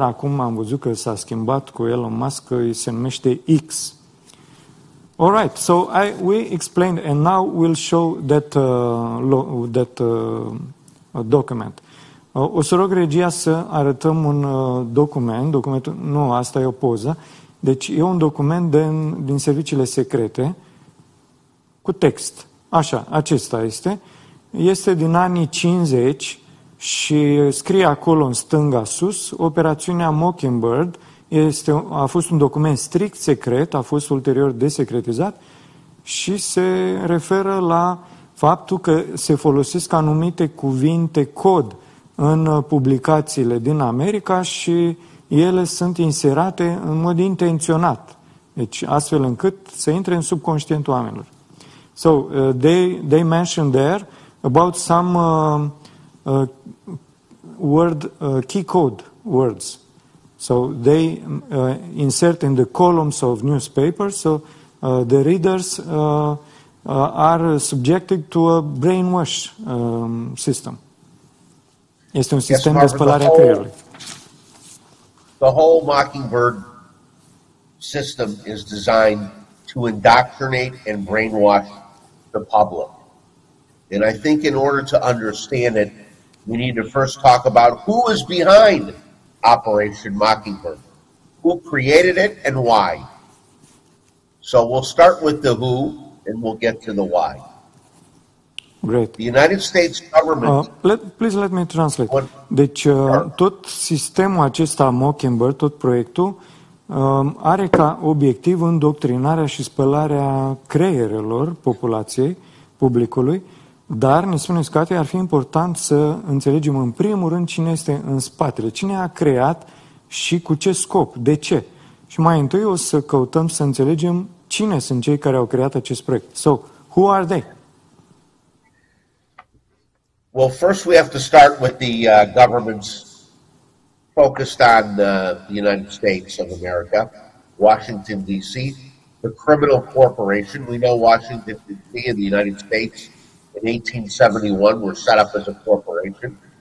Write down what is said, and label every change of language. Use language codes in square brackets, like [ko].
[ro] Acum am văzut că s-a schimbat cu Elon Musk, se numește X. [en] All right, so we explained, and now we'll show that document. [ro] O să rog regia să arătăm un document. Documentul, nu, asta e o poză. Deci e un document din serviciile secrete cu text. Așa, acesta este. Este din anii 50 și scrie acolo în stânga sus, operațiunea Mockingbird a fost un document strict secret, a fost ulterior desecretizat și se referă la faptul că se folosesc anumite cuvinte cod în publicațiile din America și ele sunt inserate în mod intenționat, deci astfel încât să intre în subconștientul oamenilor. [en] So, they mentioned there about some key code words. So, they insert in the columns of newspapers, so the readers are subjected to a brainwash system. [ro] Este un sistem de spălare a creierului. [en] The whole Mockingbird system is designed to indoctrinate and brainwash the public. And I think in order to understand it, we need to first talk about who is behind Operation Mockingbird, who created it and why. So we'll start with the who and we'll get to the why. Great. The United States government... Please let me translate. [ro] Deci, tot sistemul acesta Mockingbird, tot proiectul, are ca obiectiv îndoctrinarea și spălarea creierelor populației, publicului, dar, ne spuneți, Cate, ar fi important să înțelegem în primul rând cine este în spatele, cine a creat și cu ce scop, de ce. Și mai întâi o să căutăm să înțelegem cine sunt cei care au creat acest proiect. [en] So, who are they? Well, first we have to start with the governments focused on the United States of America, Washington, D.C., the criminal corporation. We know Washington, D.C. in the United States in 1871 were set up as a corporation.